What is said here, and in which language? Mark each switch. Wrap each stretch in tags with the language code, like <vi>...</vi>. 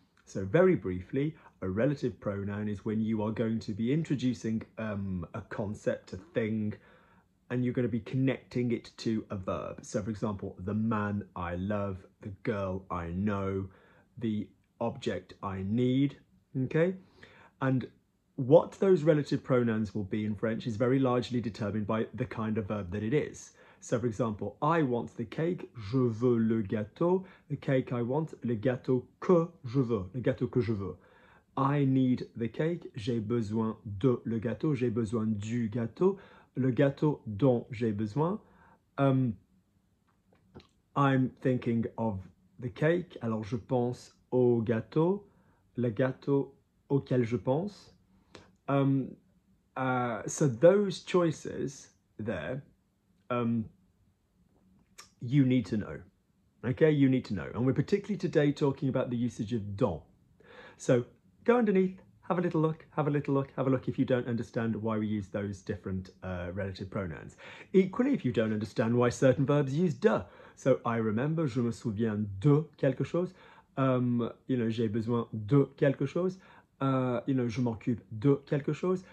<en>So very briefly, a relative pronoun is when you are going to be introducing a concept, a thing, and you're going to be connecting it to a verb. So for example, the man I love, the girl I know, the object I need, okay? And what those relative pronouns will be in French is very largely determined by the kind of verb that it is. So for example, I want the cake,</en> <fr>je veux le gâteau,</fr> <en>the cake I want,</en> <fr>le gâteau que je veux, le gâteau que je veux.</fr> <en>I need the cake,</en> <fr>j'ai besoin de le gâteau, j'ai besoin du gâteau, le gâteau dont j'ai besoin.</fr> <en>I'm thinking of the cake,</en> <fr>alors je pense au gâteau, le gâteau auquel je pense.</fr> <en>So those choices there, you need to know, okay? You need to know. And we're particularly today talking about the usage of dont. So go underneath, have a little look, have a little look, have a look if you don't understand why we use those different relative pronouns. Equally, if you don't understand why certain verbs use de. So I remember,</en> <fr>je me souviens de quelque chose.</fr> <en>You know,</en> <fr>j'ai besoin de quelque chose.</fr> <en>You know,</en> <fr>je m'occupe de quelque chose.</fr>